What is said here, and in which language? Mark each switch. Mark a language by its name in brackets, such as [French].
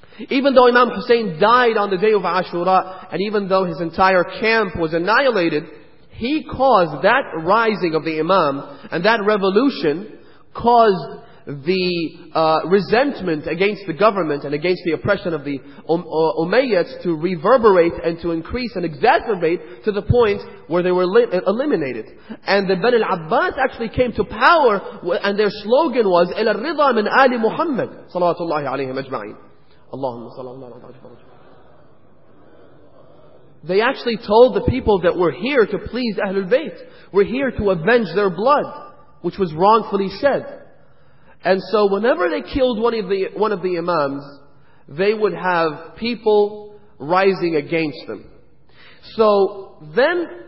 [English] Even though Imam Hussein died on the day of Ashura, and even though his entire camp was annihilated, he caused that rising of the Imam, and that revolution caused the resentment against the government and against the oppression of the Umayyads to reverberate and to increase and exacerbate to the point where they were eliminated. And the Bani al-Abbas actually came to power, and their slogan was [Arabic] إِلَى الرِّضَى مِنْ آلِ مُحَمَّدٍ صَلَوَاتُ اللَّهِ عَلَيْهِمْ أَجْمَعِينَ اللهم صلى الله عليه وسلم. [English] They actually told the people that we're here to please Ahlul Bayt. We're here to avenge their blood, which was wrongfully shed. And so whenever they killed one of the imams, they would have people rising against them. So then